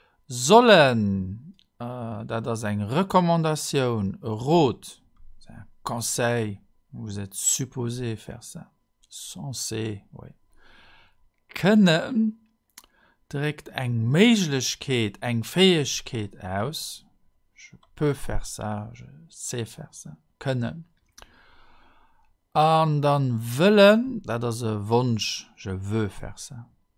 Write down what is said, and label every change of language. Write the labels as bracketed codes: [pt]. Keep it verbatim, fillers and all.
[lb] Sollen, äh, dat ass eng Rekommandatioun, e Rot, [fr] un conseil, vous êtes supposé faire ça, censé, oui. [lb] Können trägt eng Meiglechkeet, eng Fäegkeet aus. [fr] Je peux faire ça, je sais faire ça. Können. [lb] An dann willen, dat ass e Wunsch, [fr] je veux faire ça.